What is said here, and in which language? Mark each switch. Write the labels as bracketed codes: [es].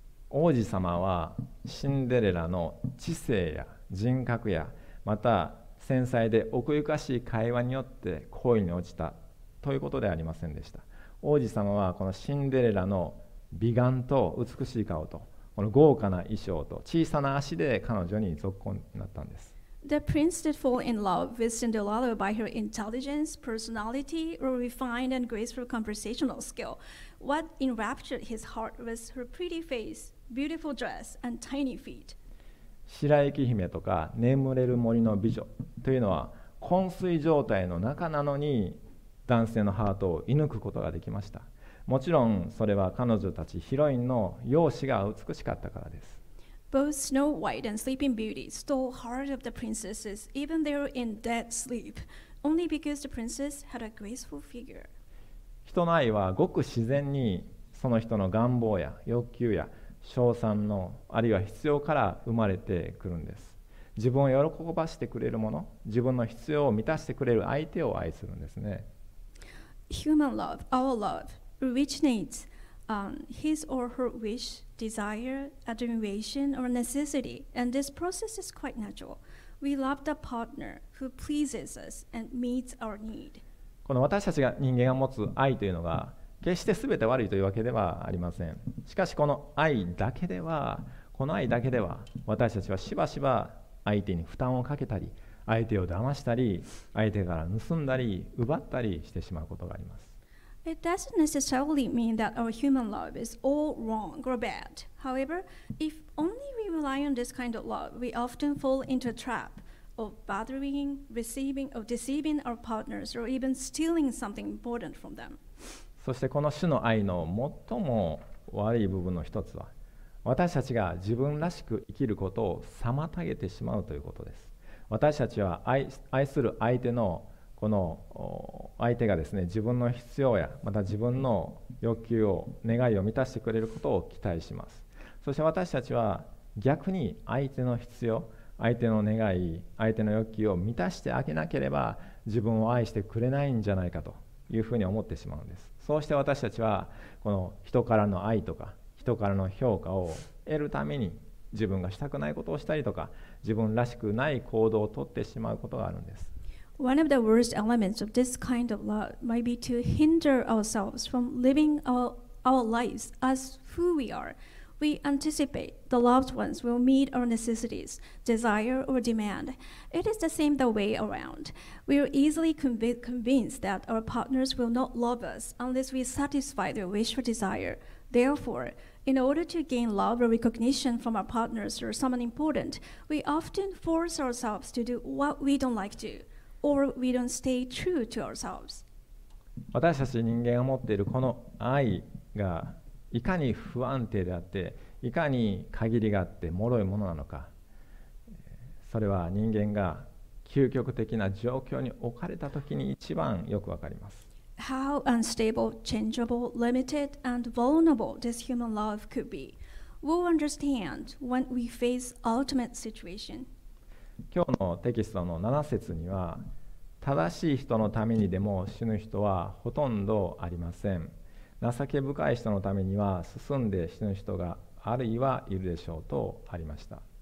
[ja] 王子様はシンデレラの知性や人格やまた繊細で奥ゆかしい会話によって恋に落ちたということではありませんでした。王子様はこのシンデレラの美顔と美しい顔とこの豪華な衣装と小さな足で彼女に続婚になったんです。 [en] The prince did fall in love with Cinderella by her intelligence, personality, or refined and graceful conversational skill. What enraptured his heart was her pretty face, beautiful dress, and tiny feet. [ja] 白雪姫とか眠れる森の美女というのは昏睡状態の中なのに男性のハートを射抜くことができました。もちろんそれは彼女たちヒロインの容姿が美しかったからです。 [en] Both Snow White and Sleeping Beauty stole heart of the princesses even though in dead sleep, only because the princess had a graceful figure. [ja] 人の愛はごく自然にその人の願望や欲求や称賛のあるいは必要から生まれてくるんです。自分を喜ばしてくれるもの、自分の必要を満たしてくれる相手を愛するんですね。 [en] Human love, our loveoriginates his or her wish, desire, admiration, or necessity, and this process is quite natural. We love the partner who pleases us and meets our need. [ja] この私たちが人間が持つ愛というのが決して全て悪いというわけではありません。しかしこの愛だけでは、この愛だけでは私たちはしばしば相手に負担をかけたり、相手を騙したり、相手から盗んだり奪ったりしてしまうことがあります。 [en] It doesn't necessarily mean that our human love is all wrong or bad. However, if only we rely on this kind of love, we often fall into a trap of bothering, receiving, or deceiving our partners, or even stealing something important from them. [ja] そしてこの種の愛の最も悪い部分の一つは、私たちが自分らしく生きることを妨げてしまうということです。私たちは愛する相手のこの相手がですね、自分の必要やまた自分の欲求を願いを満たしてくれることを期待します。そして私たちは逆に相手の必要、相手の願い、相手の欲求を満たしてあげなければ自分を愛してくれないんじゃないかというふうに思ってしまうんです。そうして私たちはこの人からの愛とか人からの評価を得るために自分がしたくないことをしたりとか自分らしくない行動を取ってしまうことがあるんです。 [en] One of the worst elements of this kind of love might be to hinder ourselves from living our lives as who we are. We anticipate the loved ones will meet our necessities, desire, or demand. It is the same the way around. We are easily convinced that our partners will not love us unless we satisfy their wish or desire. Therefore, in order to gain love or recognition from our partners or someone important, we often force ourselves to do what we don't like to. Or we don't stay true to ourselves. [ja] 私たち人間が持っているこの愛がいかに不安定であっていかに限りがあって脆いものなのか、それは人間が究極的な状況に置かれた時に一番よくわかります。 [en] How unstable, changeable, limited, and vulnerable this human love could be. We'll understand when we face ultimate situation. [ja] 今日のテキストの7節には、正しい人のためにでも死ぬ人はほとんどありません。情け深い人のためには進んで死ぬ人があるいはいるでしょうとありました。